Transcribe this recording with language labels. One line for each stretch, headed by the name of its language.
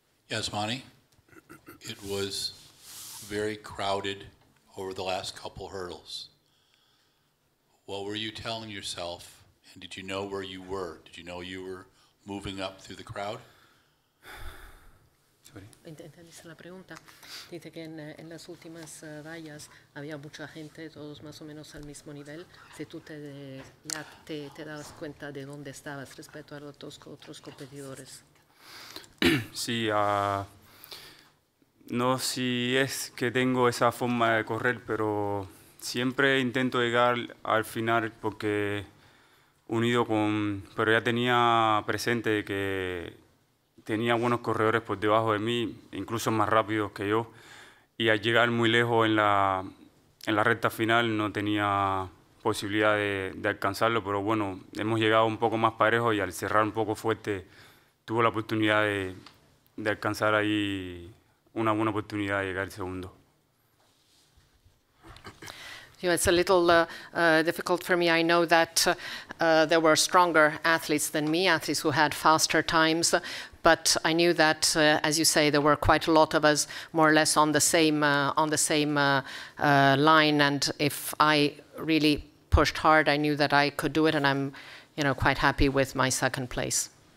English: Yes, Yasmani, it was very crowded over the last couple hurdles. What were you telling yourself, and did you know where you were? Did you know you were moving up through the crowd?
Spanish: ¿Entendiste la pregunta? Dice que en las últimas vallas había mucha gente, todos más o menos al mismo nivel. Si tú ya te dabas cuenta de dónde estabas respecto a los otros competidores. Sí, no sé si es que tengo esa forma de correr, pero siempre intento llegar al final porque unido con, pero ya tenía presente que tenía buenos corredores por debajo de mí, incluso más rápidos que yo, y al llegar muy lejos en la recta final no tenía posibilidad de alcanzarlo, pero bueno, hemos llegado un poco más parejo y al cerrar un poco fuerte tuve la oportunidad de alcanzar ahí una buena oportunidad de llegar segundo.
English: You know, it's a little difficult for me. I know that there were stronger athletes than me, athletes who had faster times, but I knew that, as you say, there were quite a lot of us more or less on the same line, and if I really pushed hard, I knew that I could do it, and I'm, you know, quite happy with my second place.